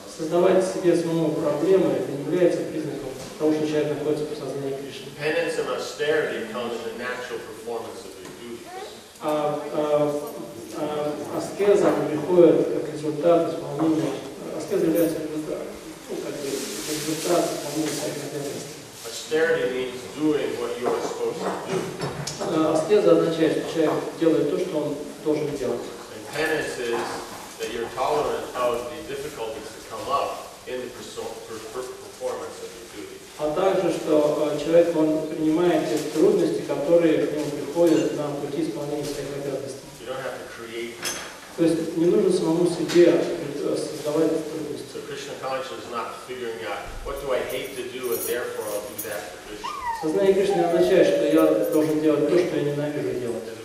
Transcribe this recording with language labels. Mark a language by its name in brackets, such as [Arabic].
[Russian] Создавать себе самому проблемы это не является признаком того, что человек находится в сознании Кришны. [English] Penance and austerity comes in the natural performance of your duties. [Russian] Аскеза приходит как результат исполнения. Аскеза является результатом исполнения своих обязанностей. [English] Austerity means doing what you are supposed to do. [Russian] Аскеза означает, что человек делает то, что он должен делать. [English] Penance is that you're tolerant of the difficulties that come up in the performance of your duty. [Russian] А также, что человек он принимает те трудности, которые к нему приходят на пути исполнения своих обязанностей. [English] You don't have to create. [Russian] То есть не нужно самому себе создавать трудности. [English] So Krishna consciousness is not figuring out what do I hate to do and therefore I'll do that for Krishna. [Russian] Сознание Кришны означает, что я должен делать то, что я ненавижу делать.